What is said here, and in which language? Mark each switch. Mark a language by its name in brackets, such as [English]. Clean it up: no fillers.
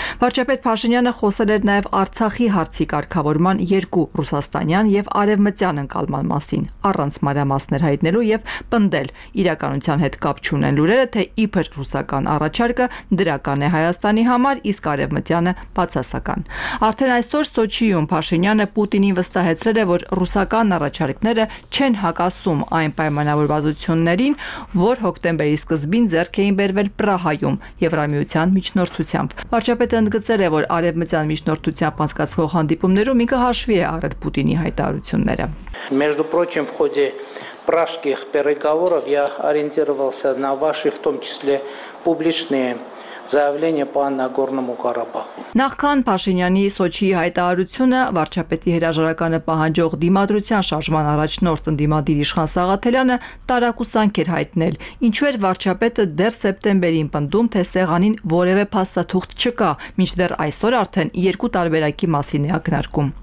[Armenian] Վարչապետ Փաշինյանը խոսել էր նաև Արցախի հարցի կարգավորման երկու ռուսաստանյան և արևմտյան ընկալման մասին, առանց մանրամասներ հայտնելու և պնդել իրականության հետ կապ չունեն լուրերը, թե իբր ռուսական առաջարկը դրական է Հայաստանի համար, իսկ արևմտյանը բացասական։ Արդեն այսօր Սոչիում Փաշինյանը Պուտինին վստահեցրել է, որ ռուսական առաջարկները չեն հակասում այն պայմանավորվածություններին, որ հոկտեմբերի սկզբին ձեռք էին բերվել Պրահայում Եվրամիության միջնորդությամբ։ Վարչապետը ընդգծել է, որ արևմտյան միջնորդությամբ անցկացվող հանդիպումներում ինքը հաշվի է առել Պուտինի հայտարարությունները։ [Russian] Между прочим, в ходе пражских переговоров я ориентировался на ваши, в том числе, публичные заявления по Нагорному Карабаху. [Armenian] Նախքան Փաշինյանի Սոչիի հայտարարությունը, վարչապետի հրաժարականը պահանջող դիմադրության շարժման առաջնորդ ընդդիմադիր Իշխան Սաղաթելյանը տարակուսանք էր հայտնել, ինչու էր վարչապետը դեռ սեպտեմբերին պնդում, թե սեղանին որևէ փաստաթուղթ չկա, մինչդեռ այսօր արդեն երկու տարբերակի մասին է ակնարկում։